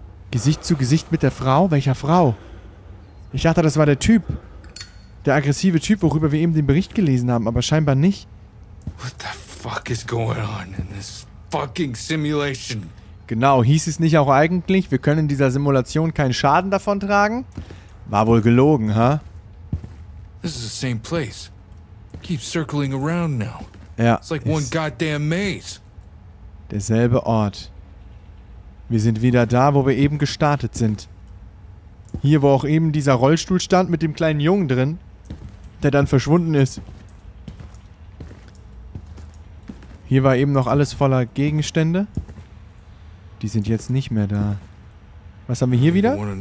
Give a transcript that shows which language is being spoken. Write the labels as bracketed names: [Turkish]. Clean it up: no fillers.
[German] Gesicht zu Gesicht mit der Frau? Welcher Frau? Ich dachte, das war der Typ. Der aggressive Typ, worüber wir eben den Bericht gelesen haben, aber scheinbar nicht. [English] What the fuck is going on in this fucking simulation? [German] Genau, hieß es nicht auch eigentlich, wir können in dieser Simulation keinen Schaden davontragen? War wohl gelogen, ha? Huh? [English] This is the same place. Keep circling around now. [German] Ja. [English] It's like one goddamn maze. [German] Derselbe Ort. Wir sind wieder da, wo wir eben gestartet sind. Hier, wo auch eben dieser Rollstuhl stand mit dem kleinen Jungen drin, der dann verschwunden ist. Hier war eben noch alles voller Gegenstände. Die sind jetzt nicht mehr da. Was haben wir hier wieder?